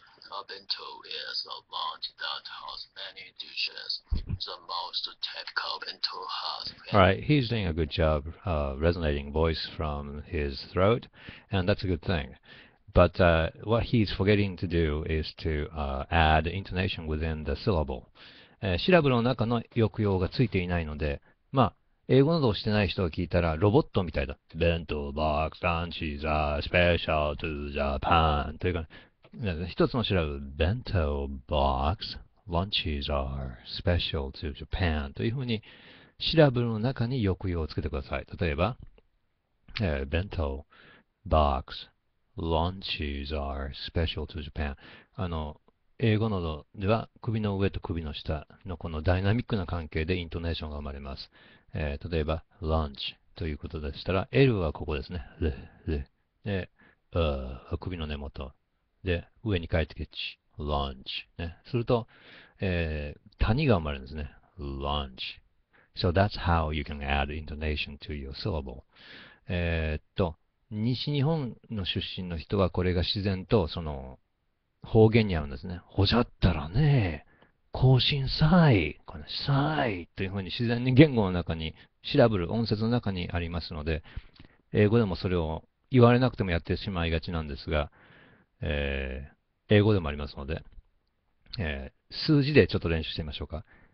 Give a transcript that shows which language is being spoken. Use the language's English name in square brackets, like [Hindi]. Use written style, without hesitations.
[English] A bento is a lunch that has many dishes. The most typical bento has All right, he's doing a good job resonating voice from his throat, and that's a good thing. But what he's forgetting to do is to add intonation within the syllable. [Japanese] シラブルの中の抑揚がついていないので、まあ、英語などをしてない人が聞いたらロボットみたいだ。 [English] Bento box lunches are special to Japan. [Japanese] というか、一つのシラブル、 [English] Bento box lunches are special to Japan. [Japanese] というふうに、シラブルの中に抑揚をつけてください。例えば、 [English] Bento box lunches are special to Japan. [Japanese] 英語喉では首の上と首の下のこのダイナミックな関係でイントネーションが生まれます。例えば、lunch ということでしたら、L はここですね。で、首の根元。で、上に帰ってきて、lunch、ね。すると、谷が生まれるんですね。 [English] lunch。 So that's how you can add intonation to your syllable. [Japanese] 西日本の出身の人はこれが自然とその方言に合うんですね。ほじゃったらね、更新さい、このさいというふうに自然に言語の中に、シラブル、音節の中にありますので、英語でもそれを言われなくてもやってしまいがちなんですが、英語でもありますので、数字でちょっと練習してみましょうか。